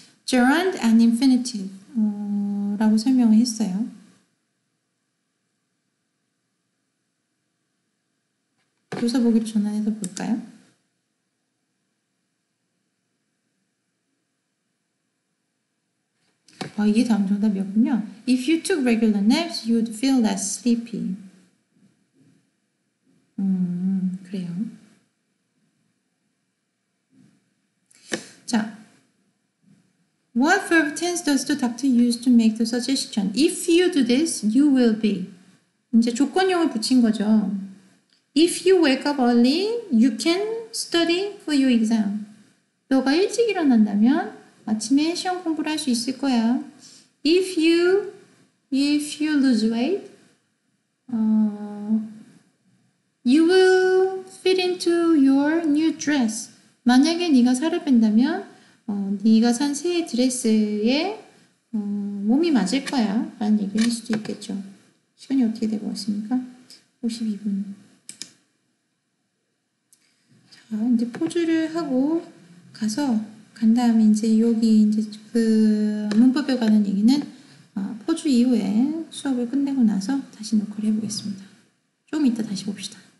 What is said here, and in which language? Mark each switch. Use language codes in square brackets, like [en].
[en] Gerund and infinitive [ko] 라고 설명을 했어요. 조사보기로 전환해서 볼까요? 이게 다음 정답이었군요. [en] If you took regular naps, you'd feel less sleepy. [ko] 그래요. 자, [en] What verb tense does the doctor use to make the suggestion? If you do this, you will be. [ko] 이제 조건형을 붙인 거죠. [en] If you wake up early, you can study for your exam. [ko] 너가 일찍 일어난다면 아침에 시험 공부를 할 수 있을 거야. [en] If you lose weight, you will fit into your new dress. [ko] 만약에 네가 살을 뺀다면, 네가 산 새 드레스에 몸이 맞을 거야 라는 얘기를 할 수도 있겠죠. 시간이 어떻게 되고 있습니까? 52분. 자, 이제 포즈를 하고 가서 간 다음에 이제 여기 이제 그 문법에 관한 얘기는 포즈 이후에 수업을 끝내고 나서 다시 녹화를 해보겠습니다. 조금 이따 다시 봅시다.